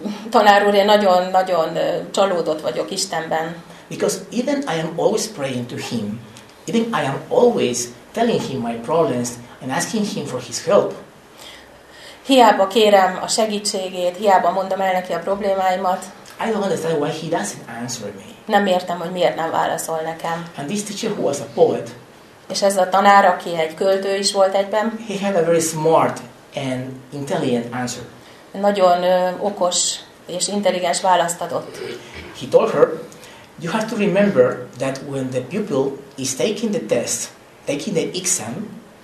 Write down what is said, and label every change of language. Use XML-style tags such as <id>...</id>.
<hu>Tanár úr, én nagyon-nagyon csalódott vagyok Istenben.</hu> <en>Because even I am always praying to him. Even I am always telling him my problems and asking him for his help.</en> <hu>Hiába kérem a segítségét, hiába mondom el neki a problémáimat.</hu> <en>I don't understand why he doesn't answer me.</en> <hu>Nem értem, hogy miért nem válaszol nekem.</hu> <en>And this teacher, who was a poet,</en> <hu>és ez a tanár, aki egy költő is volt egyben,</hu> <en>he had a very smart and intelligent answer.</en> <hu>Nagyon okos és intelligens választ adott.</hu> <en>He told her, you have to remember that when the pupil is taking the test, taking the exam,</en>